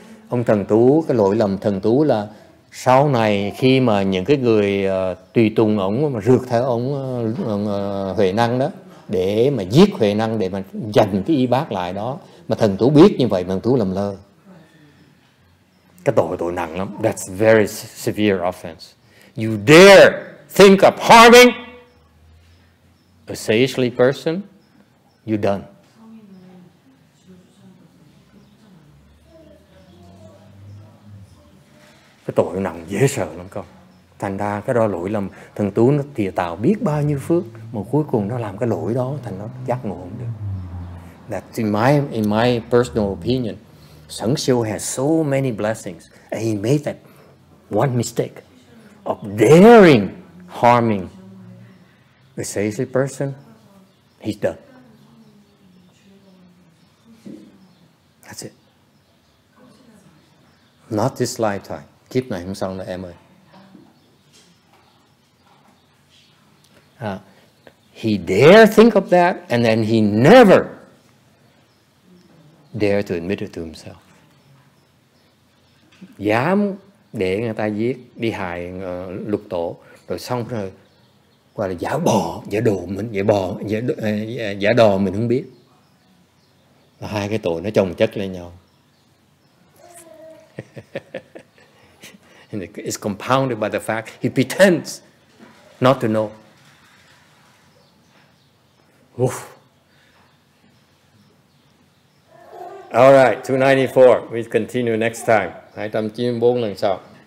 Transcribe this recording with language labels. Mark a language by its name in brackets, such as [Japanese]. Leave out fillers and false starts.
[Vietnamese] Ông thần tú, cái lỗi lầm thần tú là sau này khi mà những cái người tùy tùng ổng mà rượt theo ổng Huệ Năng đó, để mà giết Huệ Năng, để mà giành cái y bác lại đó, mà thần tú biết như vậy, thần tú lầm lơ. Cái tội nặng lắm. [English] That's very severe offense. You dare think of harming a sagely person, you're done. [Vietnamese] Cái tội nặng dễ sợ lắm con. Thành ra cái đó lỗi lầm. Thần tú nó thìa tạo biết bao nhiêu phước, mà cuối cùng nó làm cái lỗi đó, thành nó giác ngộ không được. [English] That in my personal opinion, Sẵn Siêu has so many blessings, and he made that one mistake of daring harming a sage person. He's done. That's it. Not this lifetime. [Vietnamese] Kiếp này không xong đâu em ơi. [English] He dare think of that, and then he never dare to admit it to himself. [Vietnamese] Dám để người ta giết, đi hại lục tổ, rồi xong rồi qua là giả bò, giả đồ mình, giả đò mình không biết. Và hai cái tội nó chồng chất lên nhau. [English] And it's compounded by the fact he pretends not to know. Oof. All right, 294. We continue next time. 294 [Vietnamese] lần sau.